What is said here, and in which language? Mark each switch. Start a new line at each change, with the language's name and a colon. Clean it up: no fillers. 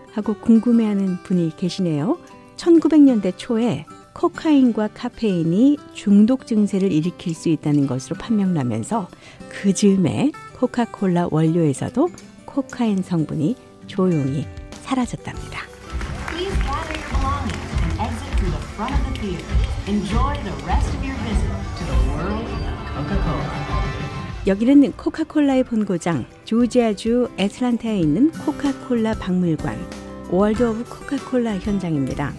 Korean: 하고 궁금해하는 분이 계시네요. 1900년대 초에 코카인과 카페인이 중독 증세를 일으킬 수 있다는 것으로 판명나면서 그 즈음에 코카콜라 원료에서도 코카인 성분이 조용히 사라졌답니다.
English: Please gather your belongings and exit through the front of the theater. Enjoy the rest of your visit to the world of Coca-Cola.
Korean: 여기는 코카콜라의 본고장 조지아주 애틀란타에 있는 코카콜라 박물관 월드 오브 코카콜라 현장입니다.